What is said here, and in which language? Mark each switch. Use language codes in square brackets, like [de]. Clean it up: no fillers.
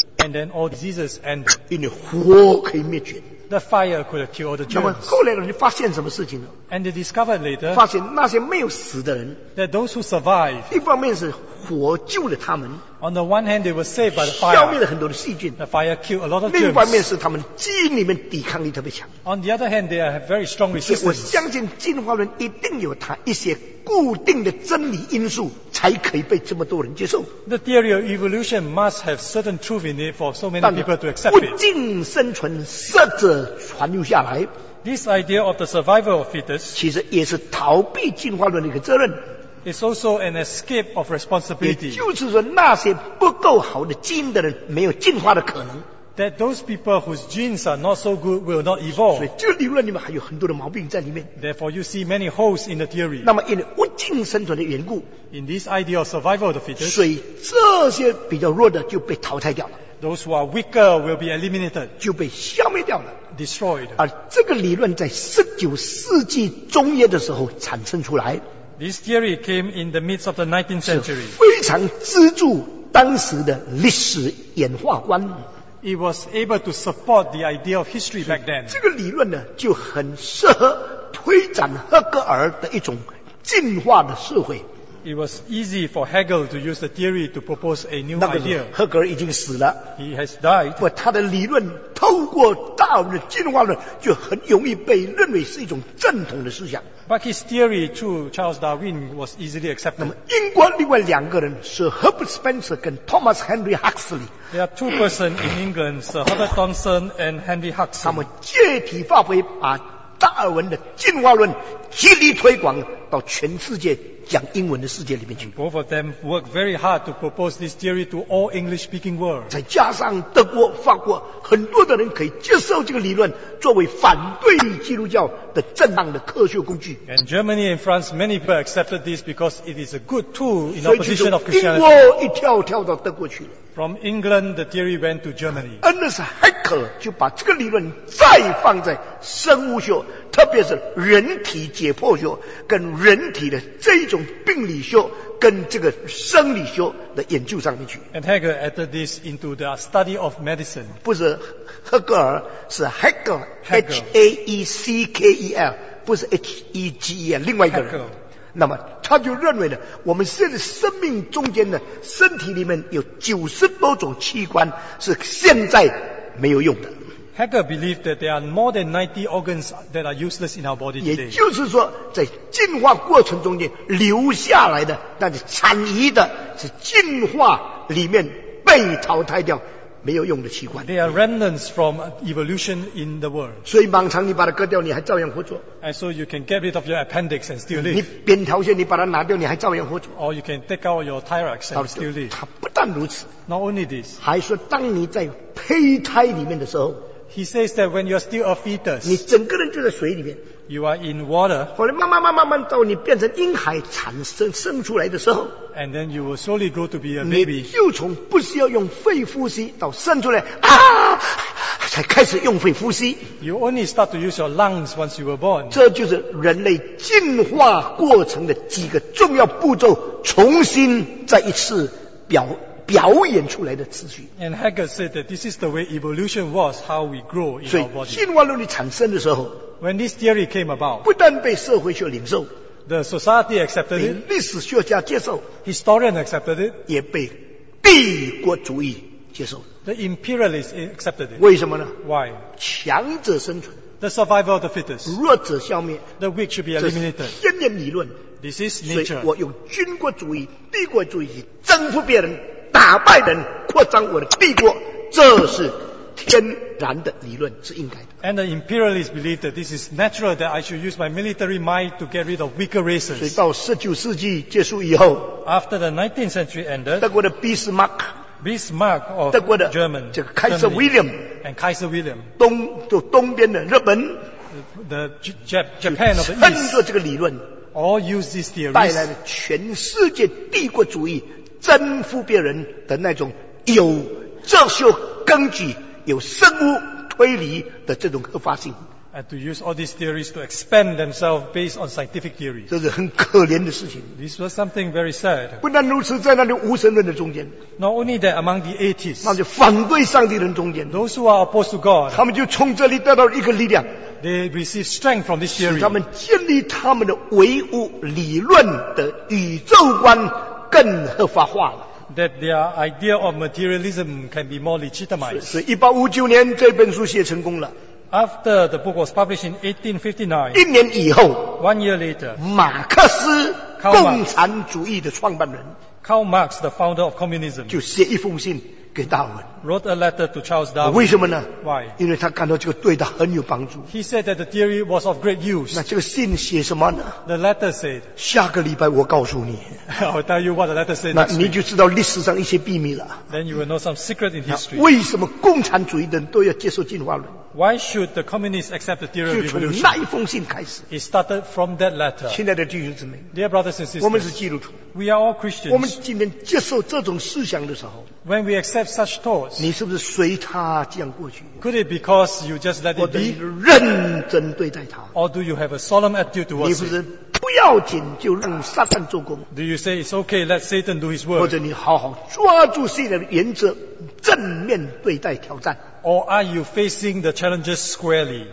[en] And then all diseases ended. [zh] 因为火可以灭菌 [en] The fire could kill all the germs. [zh] 那么后来人就发现什么事情呢 [en] And they discovered later, [zh] 发现那些没有死的人 [en] that those who survived, [zh] 一方面是火救了他们 [en] On the one hand, they were saved by the fire. [zh] 消灭了很多的细菌 [en] The fire killed a lot of germs. [zh] 另一方面是他们基因里面抵抗力特别强 [en] On the other hand, they have very strong resistance. [zh] 我相信进化论一定有它一些固定的真理因素才可以被这么多人接受 [en] The theory of evolution must have certain truth in it for so many people to accept it. [zh] 物竞生存适者传留下来 [en] This idea of the survival of fittest [zh] 其实也是逃避进化论的一个责任 [en] It's also an escape of responsibility. [zh] 也就是说，那些不够好的基因的人没有进化的可能。 [en] That those people whose genes are not so good will not evolve. [zh] 所以这个理论里面还有很多的毛病在里面。 [en] Therefore, you see many holes in the theory. [zh] 那么因为物竞生存的缘故 [en] ，in this idea of survival of the fittest, [zh] 所以这些比较弱的就被淘汰掉了。 [en] Those who are weaker will be eliminated. [zh] 就被消灭掉了。 [en] Destroyed. [zh] 而这个理论在19世纪中叶的时候产生出来。 [en] This theory came in the midst of the 19th century. [zh] 是非常资助当时的历史演化观。 [en] It was able to support the idea of history back then. [zh] 这个理论呢，就很适合推展赫格尔的一种进化的社会。 [en] It was easy for Hegel to use the theory to propose a new idea. [zh] 赫格尔已经死了。 [en] He has died. [zh] 不，他的理论透过大我的进化论，就很容易被认为是一种正统的思想。 [en] But his theory through Charles Darwin was easily accepted. [zh] 那么英国另外两个人是 Herbert Spencer 跟 Thomas Henry Huxley. [en] There are two persons in England, Sir Herbert Thompson and Henry Huxley. [zh] 他们借题发挥，把达尔文的进化论极力推广到全世界讲英文的世界里面去。 [en] And both of them worked very hard to propose this theory to all English speaking world. [zh] 再加上德国、法国，很多的人可以接受这个理论作为反对基督教的正当的科学工具。 [en] And Germany and France, many people accepted this because it is a good tool in opposition of Christianity. [zh] 所以就英国一跳跳到德国去了。 [en] From England, the theory went to Germany. [zh] Ernst Haeckel 就把这个理论再放在生物学，特别是人体解剖学跟人体的这种病理学跟这个生理学的研究上面去。 [en] And Haeckel added this into the study of medicine. [zh] 不是赫格尔，是 Haeckel, H-A-E-C-K-E-L, 不是 H-E-G-E-L, 另外一个人。 [en] Haeckel. [zh] 那么他就认为呢，我们现在生命中间呢，身体里面有90多种器官是现在没有用的。 [en] Haeckel believed that there are more than 90 organs that are useless in our body today. [zh] 也就是说，在进化过程中间留下来的，那是残余的，是进化里面被淘汰掉。没有用的器官。 [en] They are remnants from evolution in the world. [zh] 所以盲肠你把它割掉，你还照样活着。 [en] And so you can get rid of your appendix and still live. [zh] 你扁桃腺你把它拿掉，你还照样活着。 [en] Or you can take out your thyroid and still live. [zh] 他不但如此。 [en] Not only this. [zh] 还说当你在胚胎里面的时候。 [en] He says that when you are still a fetus. [zh] 你整个人就在水里面。 [en] You are in water. [zh] 后来慢慢到你变成婴孩产生生出来的时候。 [en] And then you will slowly grow to be a baby. [zh] 你就从不需要用肺呼吸到生出来才开始用肺呼吸。 [en] You only start to use your lungs once you were born. [zh] 这就是人类进化过程的几个重要步骤重新再一次表演出来的秩序。 [en] And Haeckel said that this is the way evolution was, how we grow in our body. [zh] 进化论产生的时候 [en] ，when this theory came about， [zh] 不但被社会学领受 [en] ，the society accepted it， [zh] 被历史学家接受 [en] ，historian accepted it， [zh] 也被帝国主义接受 [en] ，the imperialists accepted it。 [zh] 为什么呢 [en] ？Why？ [zh] 强者生存 [en] ，the survival of the fittest， [zh] 弱者消灭 [en] ，the weak should be eliminated。 [zh] 先验理论 [en] ，this is nature。 [zh] 所以我用军国主义、帝国主义征服别人。打败人扩张我的帝国这是天然的理论是应该的 [en] And the imperialists believe that this is natural that I should use my military might to get rid of weaker races [zh] 所以到19世纪结束以后 [en] After the 19th century ended [zh] 德国的 Bismarck [en] of [zh] 德国的 [en] German [zh] 这个 Kaiser William [en] and Kaiser William [zh] 东边的日本 [en] the Japan of the East [zh] 趁着这个理论 [en] all use this theory [zh] 带来了全世界帝国主义征服别人的那种有哲学根据、有生物推理的这种合法性。 [en] And to use all these theories to expand themselves based on scientific theories. [zh] 这是很可怜的事情。 [en] This was something very sad. [zh] 不但如此，在那里无神论的中间。 [en] Not only that, among the atheists. [zh] 那就反对上帝的人中间。 [en] Those who are opposed to God. [zh] 他们就从这里得到一个力量。 [en] They receive strength from this theory. [zh] 使他们建立他们的唯物理论的宇宙观。更合法化了 [en] that their idea of materialism can be more legitimized. [zh] 是1859年这本书写成功了 [en] After the book was published in 1859, [zh] 一年以后 [en] One year later, [zh] 马克思共产主义的创办人 [en] Karl Marx, the founder of communism, [zh] 就写一封信给达尔文 [en] wrote a letter to Charles Darwin. [zh] 为什么呢 [en] Why? [zh] 因为他感到这个对他很有帮助 [en] He said that the theory was of great use. [zh] 那这个信写什么呢 [en] The letter said, [zh] 下个礼拜我告诉你 [en] I'll tell you what the letter said. [zh] 那你就知道历史上一些秘密了 [en] Then you will know some secret in history. [zh] 为什么共产主义的人都要接受进化论 [en] Why should the communists accept the theory of evolution? [zh] 就从那一封信开始 [en] It started from that letter. [zh] 亲爱的弟兄姊妹 [en] Dear brothers and sisters, [zh] 我们是基督徒 [en] We are all Christians. [zh] 我们今天接受这种思想的时候 [en] When we accept such thoughts, [zh] 你是不是随他这样过去 [en] Could it because you just let it be? [zh] 或者你认真对待他 [en] Or do you have a solemn attitude towards it? [zh] 你不是不要紧就让撒旦做工 [en] Do you say it's okay, let Satan do his work? [zh] 或者你好好抓住信仰的原则正面对待挑战 [en] Or are you facing the challenges squarely?